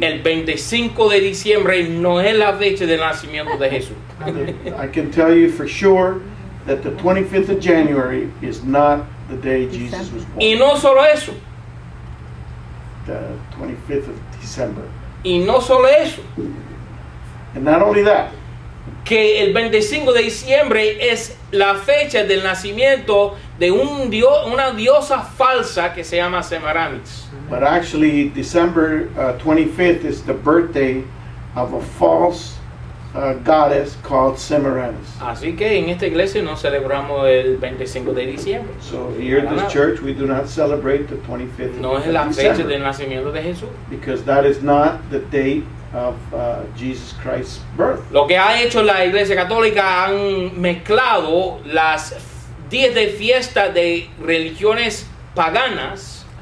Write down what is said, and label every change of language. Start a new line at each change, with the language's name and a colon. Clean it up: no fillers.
Spanish: El 25 de diciembre no es la fecha del nacimiento de Jesús.
English: I can tell you for sure that the 25th of January is not the day Jesus was born.
Spanish: Y no solo eso.
English: The 25th of December.
Spanish: Y no solo eso.
English: And not only that.
Spanish: Que el 25 de diciembre es la fecha del nacimiento de un dios, una diosa falsa que se llama Semiramis.
English: But actually, December 25th is the birthday of a false goddess called Semiramis.
Spanish: Así que en esta iglesia no celebramos el 25 de diciembre.
English: So here in this church, we do not celebrate the 25th of December.
Spanish: No es la fecha del nacimiento de Jesús.
English: Because that is not the date of Jesus Christ's birth.
Spanish: Lo que ha hecho la Iglesia Católica, han mezclado las 10 de fiesta de religiones paganas.